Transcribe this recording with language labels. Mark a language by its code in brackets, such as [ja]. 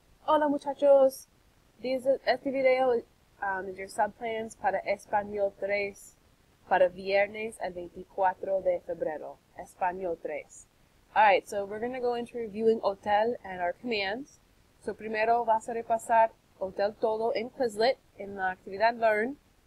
[es] Hola muchachos, este video es [en] your sub plans [es] para Espanol 3 para viernes el 24 de febrero. Espanol 3. [en] Alright, so we're going to go into reviewing hotel and our commands. [es] So primero vas a repasar hotel todo en Quizlet en la actividad Learn.